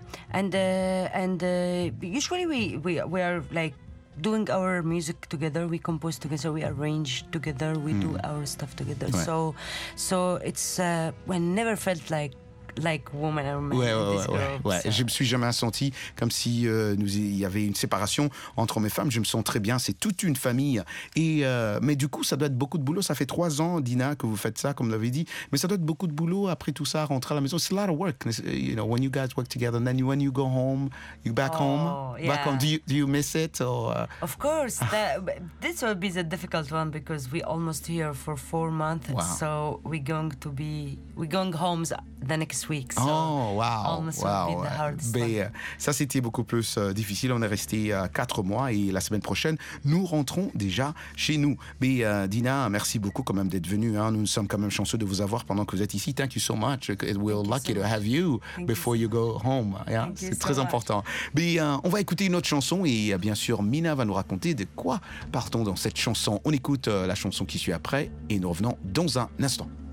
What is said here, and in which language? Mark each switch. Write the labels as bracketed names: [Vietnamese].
[English] And usually we are like doing our music together, we compose together, we arrange together, we do our stuff together. Right. So it's we never felt like like woman or man. [French] Ouais. So. Je me suis jamais senti comme si nous il y avait une séparation entre hommes et femmes. Je me sens très bien. C'est toute une famille. Et mais du coup, ça doit être beaucoup de boulot. Ça fait 3 ans, Dina, que vous faites ça, comme vous l'avez dit. Mais ça doit être beaucoup de boulot après tout ça, rentrer à la maison. [English] It's a lot of work. You know, when you guys work together, and then when you go home, you back home. Yeah. Back home. Do you miss it? Or, of course. This will be the difficult one because we almost here for 4 months. Wow. So we're going home the next week. So oh, wow. Almost wow. will be the hardest [French] one. Ça, c'était beaucoup plus difficile. On est resté 4 mois et la semaine prochaine, nous rentrons déjà chez nous. Mais Dina, merci beaucoup quand même d'être venue. Hein. Nous sommes quand même chanceux de vous avoir pendant que vous êtes ici. [English] Thank you so much. We're lucky to have you before you go home. [French] Yeah? C'est très important. Mais on va écouter une autre chanson et bien sûr, Mina va nous raconter de quoi partons dans cette chanson. On écoute la chanson qui suit après et nous revenons dans un instant.